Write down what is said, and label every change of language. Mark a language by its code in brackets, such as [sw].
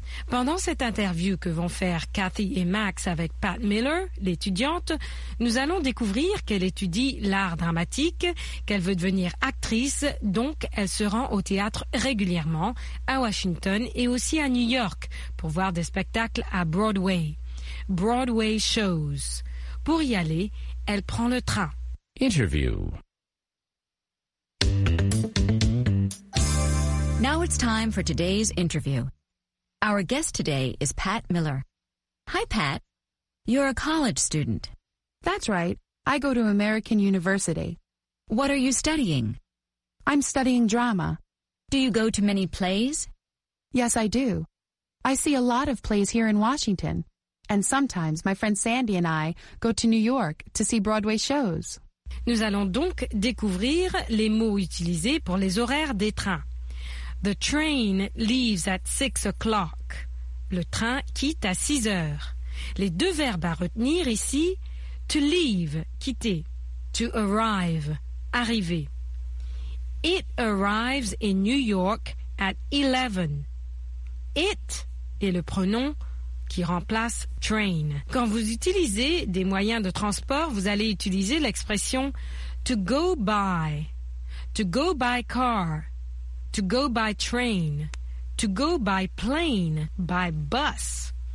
[fr] Pendant cette interview que vont faire Kathy et Max avec Pat Miller, l'étudiante, nous allons découvrir qu'elle étudie l'art dramatique, qu'elle veut devenir actrice, donc elle se rend au théâtre régulièrement, à Washington et aussi à New York, pour voir des spectacles à Broadway. [en] Broadway shows. [fr] Pour y aller, elle prend le train. [en] Interview. Now it's time for today's interview. Our guest today is Pat Miller. Hi, Pat. You're a college student. That's right. I go to American University. What are you studying? I'm studying drama. Do you go to many plays? Yes, I do. I see a lot of plays here in Washington. And sometimes my friend Sandy and I go to New York to see Broadway shows. [fr] Nous allons donc découvrir les mots utilisés pour les horaires des trains. [en] The train leaves at 6 o'clock. [fr] Le train quitte à 6 heures. Les deux verbes à retenir ici, to leave, quitter, to arrive, arriver. [en] It arrives in New York at 11. [fr] It est le pronom qui remplace train. Quand vous utilisez des moyens de transport, vous allez utiliser l'expression [en] to go by car, to go by train, to go by plane, by bus.